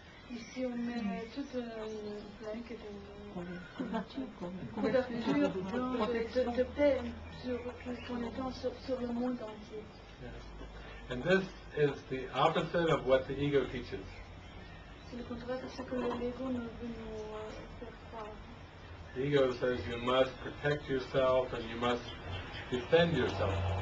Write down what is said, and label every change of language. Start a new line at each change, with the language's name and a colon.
French: Ici on met toute une blanque de couverture de paix sur le temps sur le monde entier.
English: And this is the opposite of what the ego teaches.
French: C'est le contraire de ce que l'ego nous veut nous faire croire.
English: The ego says you must protect yourself and you must defend yourself.